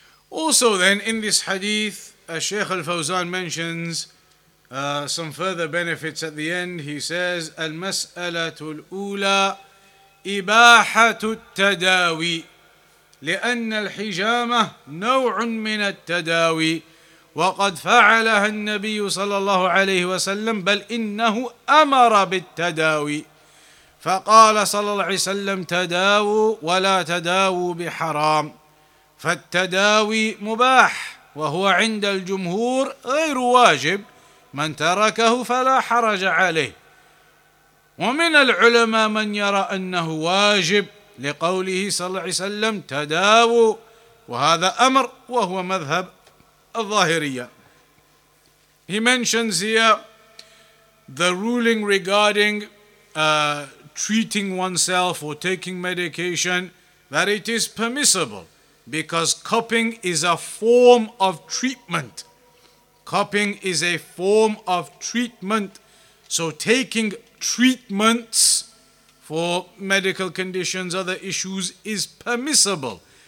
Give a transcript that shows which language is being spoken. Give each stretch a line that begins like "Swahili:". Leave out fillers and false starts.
English: Also then, in this hadith, Shaykh al-Fawzan mentions some further benefits at the end. He says,
Arabic: المسألة الأولى إباحة التداوي لأن الحجامة نوع من التداوي وقد فعلها النبي صلى الله عليه وسلم بل إنه أمر بالتداوي فقال صلى الله عليه وسلم تداووا ولا تداووا بحرام فالتداوي مباح وهو عند الجمهور غير واجب، من تركه فلا حرج عليه. ومن العلماء من يرى أنه واجب لقوله صلى الله عليه وسلم تداووا، وهذا أمر، وهو مذهب الظاهرية.
English: He mentions here the ruling regarding treating oneself or taking medication, that it is permissible because cupping is a form of treatment. Cupping is a form of treatment. So taking treatments for medical conditions, other issues, is permissible.